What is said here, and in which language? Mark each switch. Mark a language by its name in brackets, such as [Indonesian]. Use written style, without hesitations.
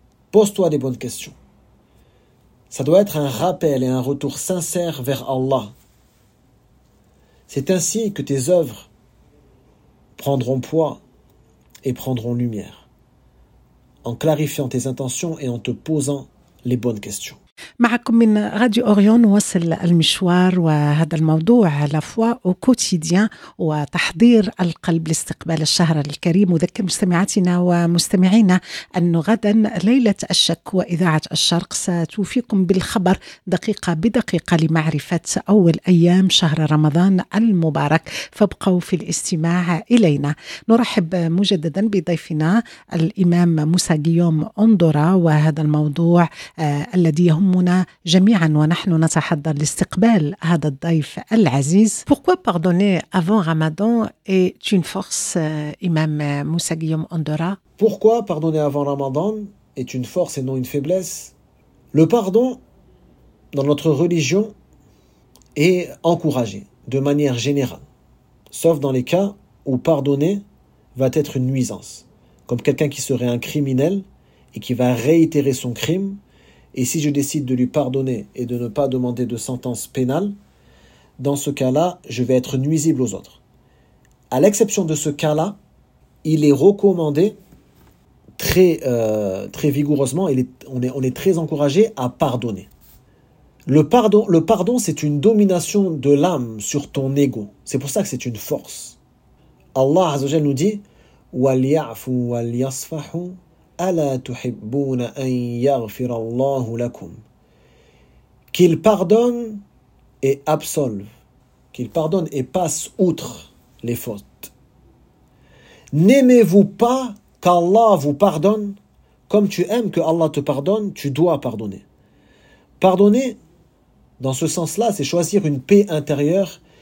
[French] Pose-toi des bonnes questions. Ça doit être un rappel et un retour sincère vers Allah. C'est ainsi que tes œuvres prendront poids et prendront lumière, en clarifiant tes intentions et en te posant les bonnes questions. [Arabic] معكم من راديو أوريون وصل المشوار وهذا الموضوع على فوا وكوتيديان وتحضير القلب لاستقبال الشهر الكريم وذكر مستمعاتنا ومستمعينا أن غدا ليلة الشك وإذاعة الشرق ستوفيكم بالخبر دقيقة بدقيقة لمعرفة أول أيام شهر رمضان المبارك فابقوا في الاستماع إلينا نرحب مجددا بضيفنا الإمام موسى غيوم أندورا وهذا الموضوع الذي يهمنا جميعا ونحن نتحضر لاستقبال هذا الضيف العزيز. [French] Pourquoi pardonner avant Ramadan est une force, Imam Moussa Guillaume Andora? Pourquoi pardonner avant Ramadan est une force et non une faiblesse? Le pardon dans notre religion est encouragé de manière générale, sauf dans les cas où pardonner va être une nuisance, comme quelqu'un qui serait un criminel et qui va réitérer son crime. Et si je décide de lui pardonner et de ne pas demander de sentence pénale, dans ce cas-là, je vais être nuisible aux autres. À l'exception de ce cas-là, il est recommandé très vigoureusement, on est très encouragé à pardonner. Le pardon, c'est une domination de l'âme sur ton ego. C'est pour ça que c'est une force. Allah Azza wa Jalla nous dit [Arabic] وَلْيَعْفُوا وَلْيَصْفَحُوا أَلَا تُحِبُّونَ أَنْ يَغْفِرَ اللَّهُ لَكُمْ. [French] Qu'il pardonne et absolve, qu'il pardonne et passe outre les fautes. N'aimez-vous pas qu'Allah vous pardonne? Comme tu aimes que Allah te pardonne, tu dois pardonner. Pardonner, dans ce sens-là, c'est choisir une paix intérieure